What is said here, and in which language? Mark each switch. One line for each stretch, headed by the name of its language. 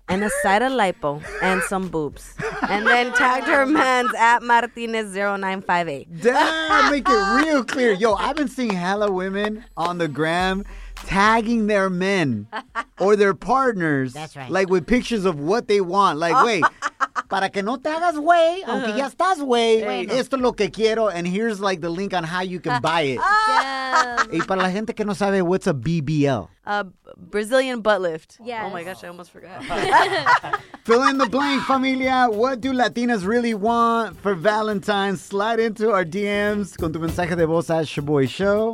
English: And a side of lipo and some boobs. And then tagged her mans at Martinez0958. Damn, make it real clear. Yo, I've been seeing hella women on the gram tagging their men or their partners. That's right. Like with pictures of what they want. Like, wait,
Spanish: para que no te hagas güey, aunque ya estás güey, esto es lo que quiero.
English: And here's like the link on how you can buy it. Damn.
Spanish: Y para la gente que no sabe,
English: what's a BBL? Brazilian butt lift. Yes. Oh my gosh, I almost forgot. Fill in the blank, familia. What do Latinas really want for Valentine's? Slide into our DMs
Spanish: con tu mensaje de voz
English: at Shaboy Show.